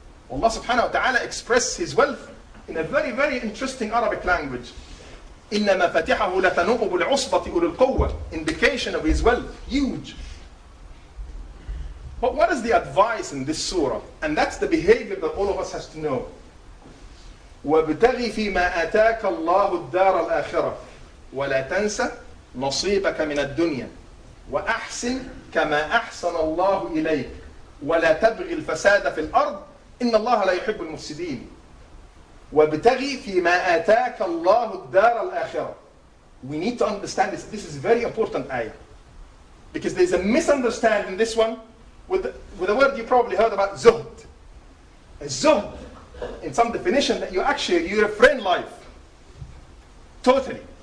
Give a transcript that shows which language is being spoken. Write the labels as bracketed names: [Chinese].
[English] Allah subhanahu wa ta'ala expressed his wealth in a very, very interesting Arabic language. [Arabic] إِنَّ مَفَتِحَهُ لَتَنُوءُ بُالْعُصْبَةِ أُولُو الْقُوَّةِ. [English] Indication of his wealth. Huge. But what is the advice in this surah? And that's the behavior that all of us has to know. [Arabic] وَابْتَغِ فِي مَا آتَاكَ اللَّهُ الدَّارَ الْآخِرَةِ ولا تنسى نصيبك من الدنيا وأحسن كما أحسن الله إليك ولا تبغي الفساد في الأرض إن الله لا يحب المفسدين وابتغي فيما آتاك الله الدار الآخرة. [English] We need to understand this. This is a very important ayah, because there is a misunderstanding in this one with a word you probably heard about, zuhd. A zuhd, in some definition, that you refrain life totally.